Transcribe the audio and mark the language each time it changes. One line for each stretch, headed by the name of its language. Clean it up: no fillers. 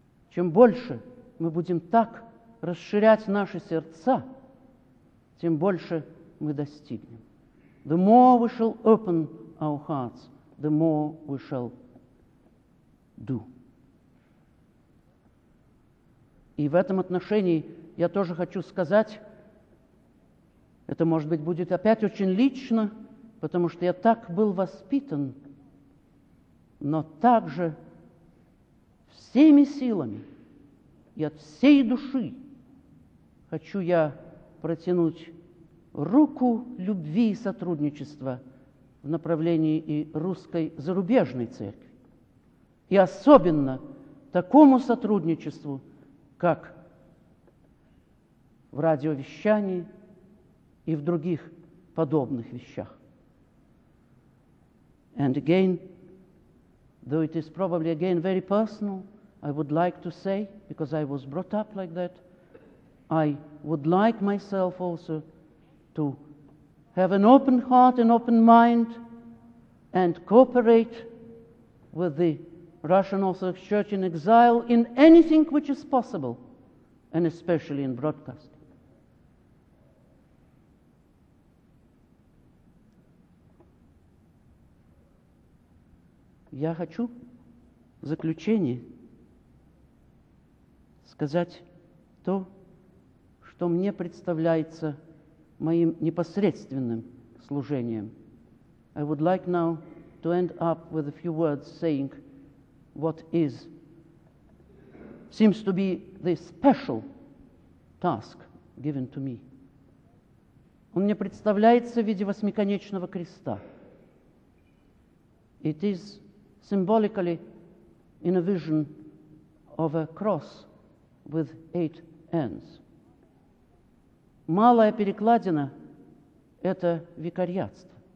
Russian: Чем больше мы будем так расширять наши сердца, тем больше мы достигнем.
English: The more we shall open our hearts, the more we shall do.
Russian: И в этом отношении я тоже хочу сказать, это, может быть, будет опять очень лично, потому что я так был воспитан, но также всеми силами и от всей души хочу я протянуть руку любви и сотрудничества в направлении и русской зарубежной церкви, и особенно такому сотрудничеству, как в радиовещании и в других подобных вещах.
English: And again, though it is probably again very personal, I would like to say, because I was brought up like that, I would like myself also to have an open heart, an open mind, and cooperate with the Russian Orthodox Church in exile in anything which is possible, and especially in broadcasting.
Russian: Я хочу в заключение сказать то, что мне представляется моим непосредственным служением.
English: I would like now to end up with a few words saying what is, seems to be the special task given to me.
Russian: Он мне представляется в виде восьмиконечного креста.
English: It is symbolically in a vision of a cross with eight ends.
Russian: Малая перекладина — это викариатство.